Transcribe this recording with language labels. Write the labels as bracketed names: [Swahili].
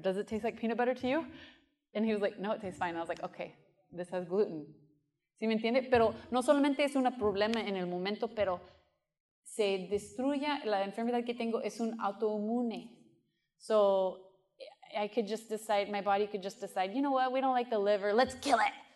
[English] Does it taste like peanut butter to you? And he was like, no, it tastes fine. I was like, okay, this has gluten. [Spanish] ¿Sí me entiende? Pero no solamente es un problema en el momento, pero se destruye la enfermedad que tengo, es un autoinmune. [English] So I could just decide, my body could just decide, you know what, we don't like the liver, let's kill it.